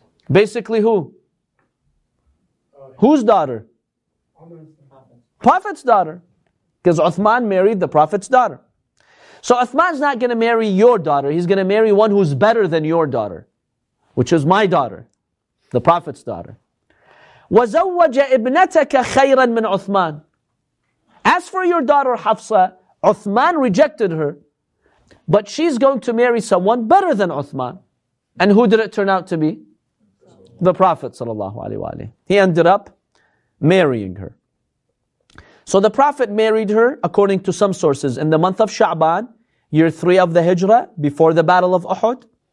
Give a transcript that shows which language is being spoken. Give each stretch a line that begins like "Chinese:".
English: Basically who? Whose daughter? Prophet's daughter. Because Uthman married the Prophet's daughter. So Uthman's not going to marry your daughter, he's going to marry one who's better than your daughter, which is my daughter, the Prophet's daughter.
Arabic: وَزَوَّجَ إِبْنَتَكَ خَيْرًا مِنْ Uthman.
English: As for your daughter Hafsa, Uthman rejected her, but she's going to marry someone better than Uthman. And who did it turn out to be? The Prophet sallallahu alaihi wa alayhi. He ended up marrying her. So the Prophet married her, according to some sources, in the month of Sha'ban, year 3 of the Hijrah, before the Battle of Uhud.